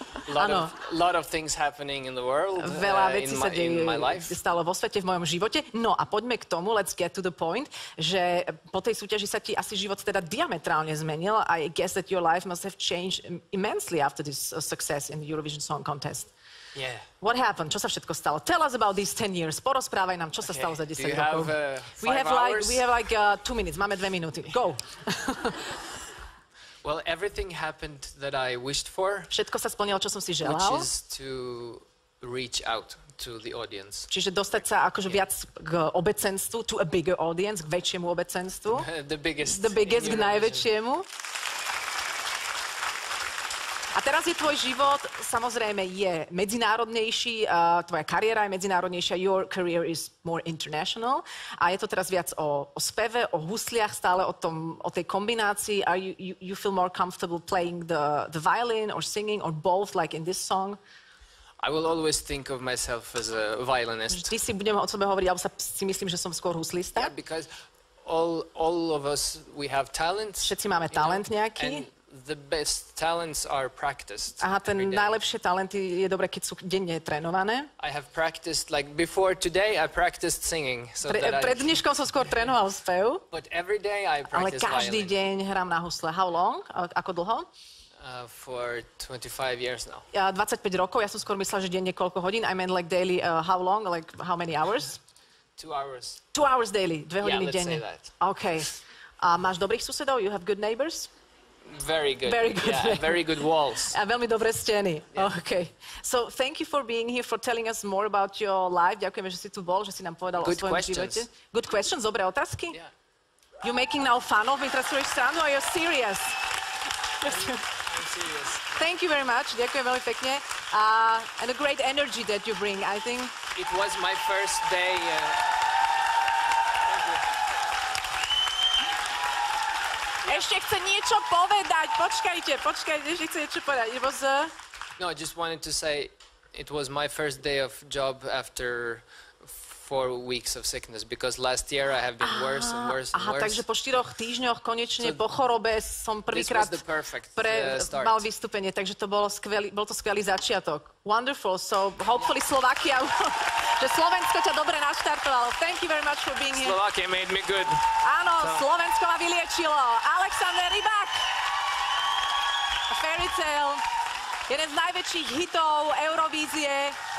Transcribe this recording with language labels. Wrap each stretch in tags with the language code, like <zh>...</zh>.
<en>A lot of things happening in the world.</en> <sk>Veľa vecí sa deje. Stalo vo svete, v mojom živote. No a poďme k tomu,</sk> <en>let's get to the point,</en> <sk>že po tej súťaži sa ti asi život teda diametrálne zmenil.</sk> <en>I guess that your life must have changed immensely after this success in the Eurovision Song Contest. Yeah. What happened?</en> <sk>Čo sa všetko stalo?</sk> <en>Tell us about these 10 years.</en> <sk>Porozprávaj nám, čo sa stalo za 10 rokov.</sk> <en>We have like 2 minutes.</en> <sk>Máme 2 minuty.</sk> <en>Go. Well, everything happened that I wished for.</en> <sk>Všetko sa splnilo, čo som si želal.</sk> <en>Which is to reach out to the audience.</en> <sk>Čiže dostať sa akože viac k obecenstvu,</sk> <en>to a bigger audience,</en> <sk>k väčšiemu obecenstvu.</sk> <en>The biggest,</en> <sk>k najväčšiemu. A teraz je tvoj život, samozrejme, je medzinárodnejší, tvoja kariéra je medzinárodnejšia,</sk> <en>your career is more international.</en> <sk>A je to teraz viac o speve, o husliach, stále o tej kombinácii.</sk> <en>Are you feel more comfortable playing the violin or singing or both, like in this song? I will always think of myself as a violinist.</en> <sk>Vždy si budem o sebe hovoriť, alebo si myslím, že som skôr huslista.</sk> <en>Yeah, because all of us, we have talent.</en> <sk>Všetci máme talent nejaký.</sk> <en>The best talents are practiced.</en> <sk>Aha, ten najlepšie talenty je dobre, keď sú denne trénované.</sk> <en>I have practiced, like before today, I practiced singing.</en> <sk>Pred dneškom som skôr trénoval spev.</sk> <en>But every day I practice violin.</en> <sk>Ale každý deň hrám na husle.</sk> <en>How long?</en> <sk>Ako dlho?</sk> <en>For 25 years now.</en> <sk>25 rokov, ja som skôr myslel, že deň niekoľko hodín.</sk> <en>I meant like daily, how long, like how many hours? 2 hours. 2 hours daily,</en> <sk>2 hodiny</sk> <en>denne. Yeah, let's say that. Okay.</en> <sk>A máš dobrých susedov?</sk> <en>You have good neighbors? Very good walls.</en> <sk>A veľmi dobré steny. Yeah. Okay.</sk> <en>So thank you for being here, for telling us more about your life.</en> <sk>Ďakujeme, že si tu bol, že si nám povedal</sk> <en>good</en> <sk>o svojom živote.</sk> <en>Good questions.</en> <sk>Dobré otázky?</sk> <en>Yeah. You're making now fun of me,</en> <sk>teraz sú ešte stranu,</sk> <en>are you serious? I'm serious. Thank you very much.</en> <sk>Ďakujem veľmi pekne.</sk> <en>And a great energy that you bring, I think. It was my first day.</en> <sk>Ešte chce niečo povedať. Počkajte, ešte chce niečo povedať.</sk> <en>No, I just wanted to say it was my first day of job after 4 weeks of sickness, because last year I have been worse and worse and worse.</en> <sk>Takže po 4 týždňoch konečne so po chorobe som prvýkrát mal vystúpenie, takže to bolo skvelý, bol to skvelý začiatok.</sk> <en>Wonderful, so hopefully Slovakia,</en> <sk>že Slovensko ťa dobre naštartovalo.</sk> <en>Thank you very much for being here. Slovakia made me good.</en> <sk>Áno, so. Slovensko ma vyliečilo. Alexander Rybak, Fairytale, jeden z najväčších hitov Eurovízie.</sk>